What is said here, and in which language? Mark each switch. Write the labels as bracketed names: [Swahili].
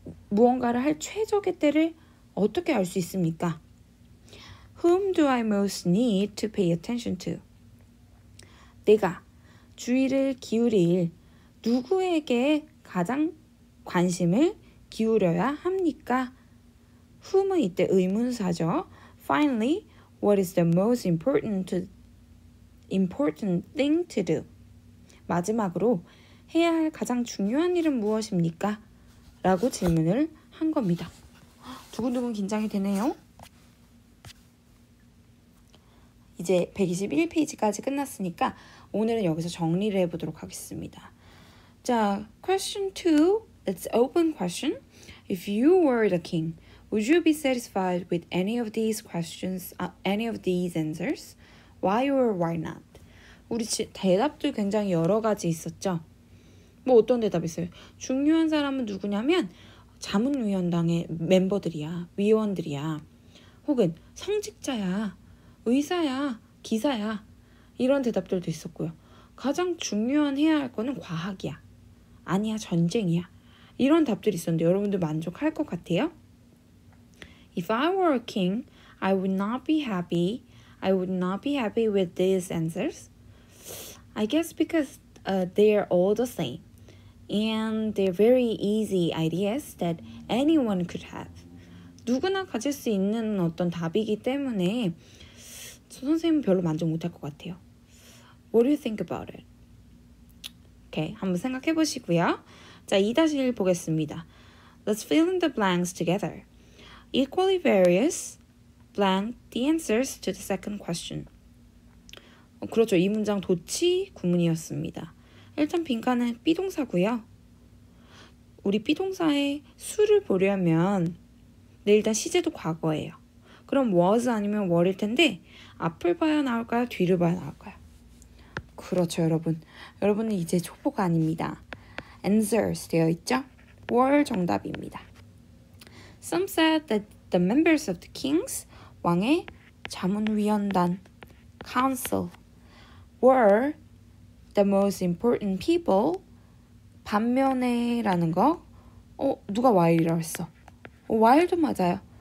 [Korean] 무언가를 할 최적의 때를 어떻게 알 수 있습니까? [English] Whom do I most need to pay attention to? [Korean] 내가 주의를 기울일 누구에게 가장 관심을 기울여야 합니까? Whom은 이때 의문사죠. [English] Finally, what is the most important thing to do? [Korean] 마지막으로 해야 할 가장 중요한 일은 무엇입니까? 라고 질문을 한 겁니다. 두근두근 긴장이 되네요. 이제 121페이지까지 끝났으니까 오늘은 여기서 정리를 해보도록 하겠습니다. [English] 자, question 2. It's open question. If you were the king, would you be satisfied with any of these questions, any of these answers? Why or why not? [Korean] 우리 대답도 굉장히 여러 가지 있었죠. 뭐 어떤 대답이 있어요? 중요한 사람은 누구냐면 자문위원당의 멤버들이야, 위원들이야, 혹은 성직자야, 의사야, 기사야 이런 대답들도 있었고요. 가장 중요한 해야 할 거는 과학이야, 아니야 전쟁이야 이런 답들이 있었는데 여러분들 만족할 것 같아요? [English] If I were a king, I would not be happy. I would not be happy with these answers. I guess because they are all the same. And they're very easy ideas that anyone could have. [Korean] 누구나 가질 수 있는 어떤 답이기 때문에 저 선생님은 별로 만족 못할 것 같아요. [English] What do you think about it? [Korean] Okay, 한번 생각해 보시고요. 자, 2-1 보겠습니다. [English] Let's fill in the blanks together. Equally various blank the answers to the second question. [Korean] 그렇죠, 이 문장 도치 구문이었습니다. 일단 빈칸은 B동사고요. 우리 B동사의 수를 보려면 네, 일단 시제도 과거예요. 그럼 was 아니면 were일 텐데 앞을 봐야 나올까요? 뒤를 봐야 나올까요? 그렇죠, 여러분. 여러분은 이제 초보가 아닙니다. Answers 되어 있죠? Were 정답입니다. [English] Some said that the members of the kings, [Korean] 왕의 자문위원단, [English] council, were the most important people. [Korean] 반면에 라는 거. 누가 while이라고 했어? While도 맞아요.